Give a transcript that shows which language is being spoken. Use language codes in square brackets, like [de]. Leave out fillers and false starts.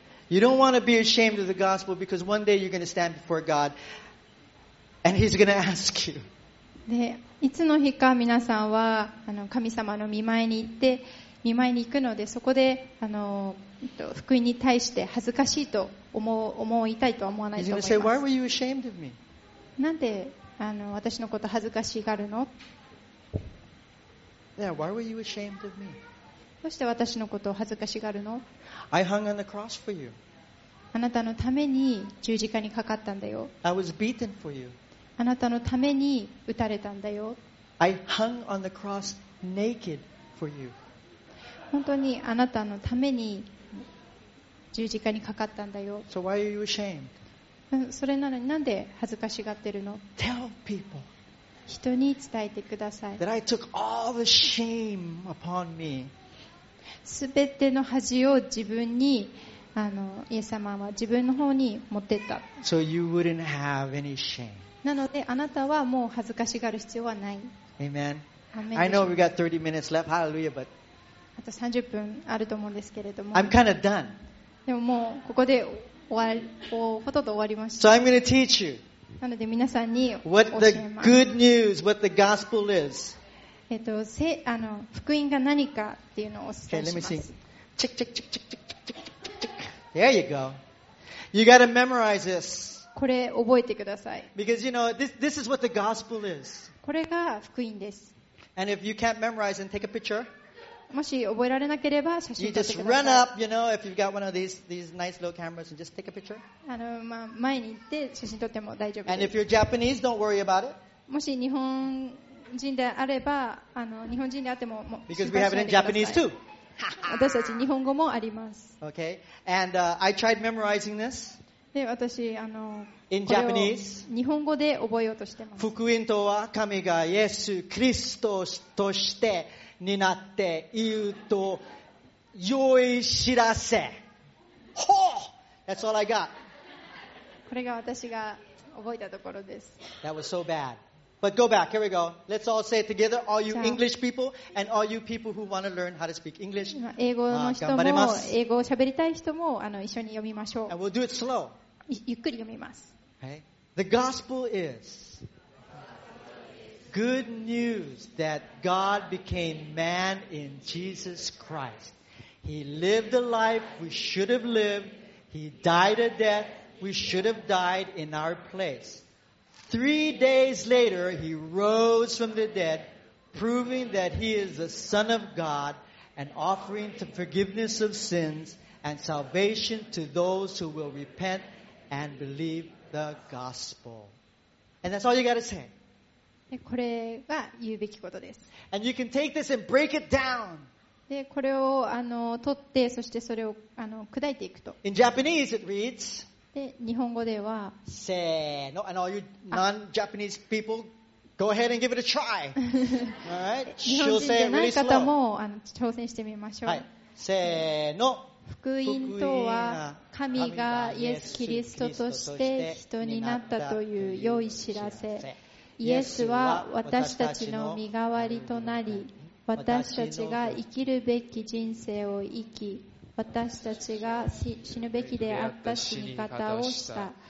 [en] You don't want to be ashamed of the gospel because one day you're going to stand before God. And he's gonna ask you. [ja] で、いつの日か皆さんはあの神様の御前に行って御前に行くので、そこであの福音に対して恥ずかしいと思いたいとは思わないと思います。 [en] He's gonna say, "Why were you ashamed of me?" [ja] なんであの私のこと恥ずかしがるの [en] ？Yeah, why were you ashamed of me? [ja] どうして私のことを恥ずかしがるの [en] ？I hung on the cross for you. [ja] あなたのために十字架にかかったんだよ。 [en] I was beaten for you. [ja] あなたのために打たれたんだよ。 [en] I hung on the cross naked for you. [ja] 本当にあなたのために十字架にかかったんだよ。 [en] So why are you ashamed? [ja] それなのになんで恥ずかしがってるの [en] ？Tell people. [ja] 人に伝えてください。 [en] That I took all the shame upon me. [ja] すべての恥を自分にあのイエス様は自分の方に持っていった。 [en] So you wouldn't have any shame. [ja] なのであなたはもう恥ずかしがる必要はない。 [en] Amen. I know we got 30 minutes left. Hallelujah. But [ja] あと30分あると思うんですけれども。 [en] I'm kind of done. [ja] でももうここで ほとんど終わりました。 [en] So I'm going to teach you. [ja] なので皆さんに教えます。 [en] What the good news? What the gospel is? [ja] あの福音が何かっていうのをお伝えします。 [en] Okay, let me see. Check, check, check, check, check. There you go. You gotta memorize this. [ja] これ覚えてください。 [en] Because you know this is what the gospel is. [ja] これが福音です。 [en] And if you can't memorize, then take a picture. [ja] もし覚えられなければ写真撮ってください。 [en] You just run up, you know, if you've got one of these nice little cameras and just take a picture. [ja] あの、まあ、前に行って写真撮っても大丈夫です。 [en] And if you're Japanese, don't worry about it. [ja] もし日本人であれば、あの、日本人であっても、もう、 [en] Because we have it in Japanese too. [ja] 私たち日本語もあります。 [en] Okay. And, I tried memorizing this. [ja] で、私、あの、 [en] in Japanese. [ja] 日本語で覚えようとしてます。福音とは神がイエス・クリストとしてになっていると良い知らせ。 [en] ほう !That's all I got. [ja] これが私が覚えたところです。 [en] That was so bad. But go back. Here we go. Let's all say it together. All you English people and all you people who want to learn how to speak English. [ja] 英語の人も、英語を喋りたい人も、一緒に読みましょう。 [en] And we'll do it slow. [ja] ゆっくり読みます。 [en] The gospel is good news that God became man in Jesus Christ. He lived a life we should have lived. He died a death we should have died in our place. Three days later, he rose from the dead, proving that he is the Son of God, and offering the forgiveness of sins and salvation to those who will repent and believe the gospel. And that's all you got to say. [ja] これが言うべきことです。 [en] And you can take this and break it down. [ja] で、これを取って、そしてそれを砕いていくと。 [en] In Japanese, it reads. [ja] で日本語では、せーの、 [en] and all you non-Japanese people, go ahead and give it a try. All right? [ja] 日本人じゃない方も挑戦してみましょう。はい、せーの。福音とは、神がイエス・キリストとして人になったという良い知らせ。イエスは私たちの身代わりとなり、私たちが生きるべき人生を生き、私たちが死ぬべきであった死に方をした。